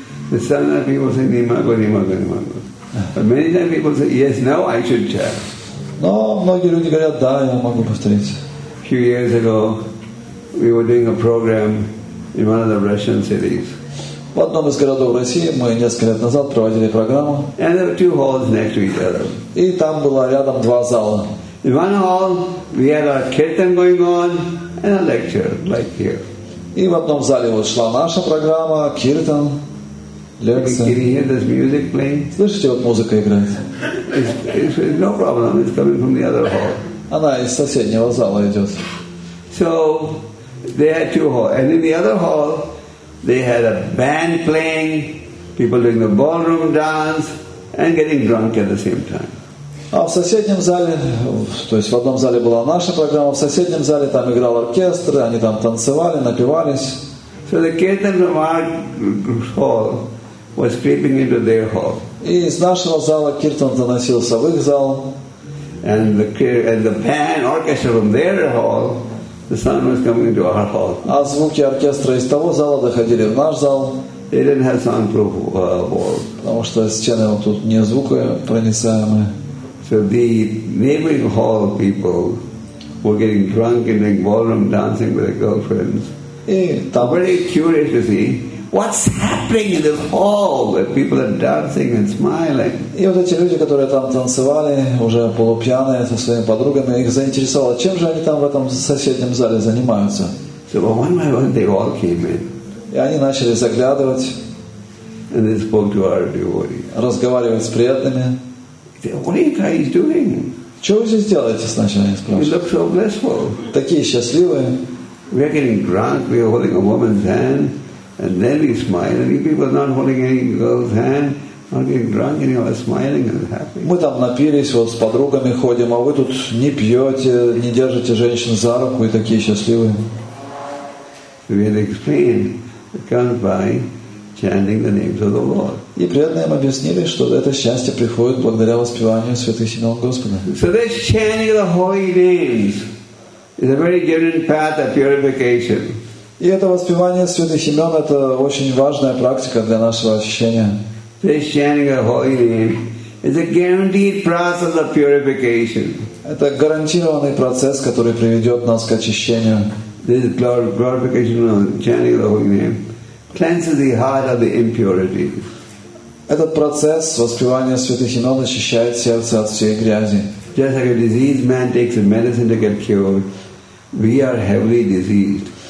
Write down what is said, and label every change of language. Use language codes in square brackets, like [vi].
[en] The same people say, [ru] не могу, не могу, не могу. [en] But many times people say, yes, no, I should chant. [ru] Но многие люди говорят, да, я могу повторить. [en] A few years ago, we were doing a program in one of the Russian cities. [ru] В одном из городов России мы несколько лет назад проводили программу. [en] And there were two halls next to each other. [ru] И там было рядом два зала. [en] In one hall we had a kirtan going on and a lecture like here. [ru] И в одном зале вот шла наша программа киртан. [en] Can you hear this music playing? [ru] Слышите, вот музыка играет. [en] It's no problem. It's coming from the other hall. [ru] Она из соседнего зала идет. [en] So they had two halls, and in the other hall they had a band playing, people doing the ballroom dance, and getting drunk at the same time. [ru] А в соседнем зале, то есть в одном зале была наша программа, в соседнем зале там играл оркестр, они там танцевали, напивались. [en] So the kirtan from our hall was creeping into their hall. [ru] И из нашего зала киртан заносился в их зал. [en] And the band orchestra from their hall, the sound was coming into our hall. [ru] А звуки оркестра из того зала доходили в наш зал. [en] They didn't have soundproof wall. [ru] Потому что стены вот тут не звукопроницаемые. [en] So the neighboring hall people were getting drunk and in ballroom dancing with their girlfriends. They were very curious to see what's happening in this hall where people are dancing and smiling. [ru] И вот эти люди, которые там танцевали уже полупьяные со своими подругами, их заинтересовало, чем же они там в этом соседнем зале занимаются. [en] So one by one they all came in. [ru] И они начали заглядывать. [en] And they spoke to our devotee. [ru] Разговаривать с преданными. [en] What are you guys doing? [ru] Что вы здесь делаете, сначала я спрашиваю. [en] You look so blissful. [ru] Такие счастливые. [en] We are getting drunk, we are holding a woman's hand, and then we smile. And you people are not holding any girl's hand, not getting drunk, and you are smiling and happy. [ru] Мы там напились, вот с подругами ходим, а вы тут не пьете, не держите женщин за руку, и такие счастливые. [en] We had explained, we can't buy. Chanting the names of the Lord. [ru] И преданные им объяснили, что это счастье приходит благодаря воспеванию святых имен Господа. [en] So this chanting of the holy names is a very given path of purification. [ru] И это воспевание святых имен — это очень важная практика для нашего очищения. [en] This chanting of the holy name is a guaranteed process of purification. [ru] Это гарантированный процесс, который приведет нас к очищению. [en] This glorification of chanting the holy name cleanses the heart of the impurities. [ru] Этот процесс воспевания святых имен очищает сердце от всей грязи. [en] Just like a diseased man takes a medicine to get cured, we are heavily diseased.